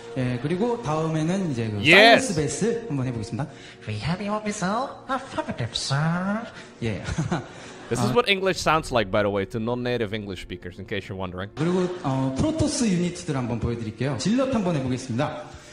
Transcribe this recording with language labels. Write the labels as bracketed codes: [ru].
[ko] 예, 그리고 다음에는 이제 그 사이언스 베이스 한번 해보겠습니다. [en] We have your missile. Affirmative, sir. Yeah. This is what English sounds like, by the way, to non-native English speakers, in case you're wondering. [ko] 그리고 프로토스 유닛들 한번 보여드릴게요. 질럿 한번 해보겠습니다.